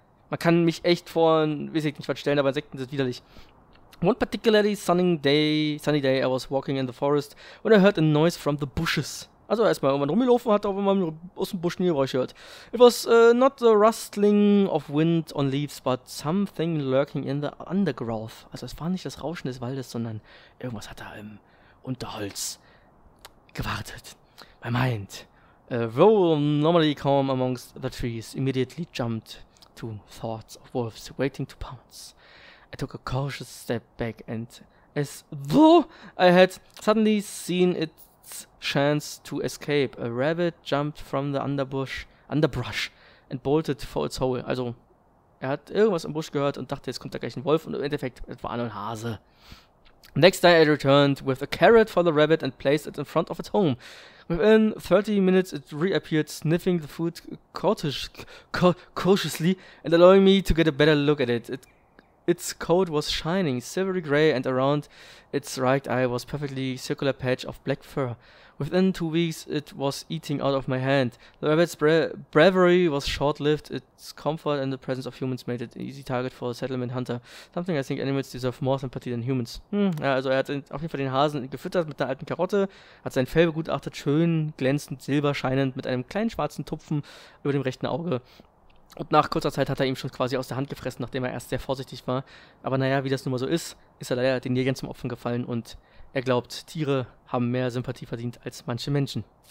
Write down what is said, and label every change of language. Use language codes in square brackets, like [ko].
[de] Man kann mich echt vor, weiß ich nicht was stellen, aber Insekten sind widerlich. [en] One particularly sunny day, I was walking in the forest when I heard a noise from the bushes. [de] Also erstmal irgendwann rumgelaufen, hat auch immer aus dem Busch Geräusche gehört. [en] It was not the rustling of wind on leaves, but something lurking in the undergrowth. [de] Also es war nicht das Rauschen des Waldes, sondern irgendwas hat da im Unterholz gewartet. [en] My mind, though normally calm amongst the trees, immediately jumped to thoughts of wolves waiting to pounce. I took a cautious step back and as though I had suddenly seen its chance to escape, a rabbit jumped from the underbrush and bolted for its hole. [de] Also, er hat irgendwas im Busch gehört und dachte, jetzt kommt da gleich ein Wolf und im Endeffekt, es war nur ein Hase. [en] Next day I returned with a carrot for the rabbit and placed it in front of its home. Within 30 minutes it reappeared, sniffing the food cautiously and allowing me to get a better look at it. Its coat was shining, silvery gray, and around its right eye was perfectly circular patch of black fur. Within 2 weeks, it was eating out of my hand. The rabbit's bravery was short-lived. Its comfort and the presence of humans made it an easy target for a settlement hunter. Something I think animals deserve more sympathy than humans. [de] Ja, also er hat auf jeden Fall den Hasen gefüttert mit einer alten Karotte, hat sein Fell begutachtet, schön, glänzend, silberscheinend, mit einem kleinen schwarzen Tupfen über dem rechten Auge. Und nach kurzer Zeit hat er ihm schon quasi aus der Hand gefressen, nachdem er erst sehr vorsichtig war. Aber naja, wie das nun mal so ist, ist er leider den Jägern zum Opfer gefallen und er glaubt, Tiere haben mehr Sympathie verdient als manche Menschen.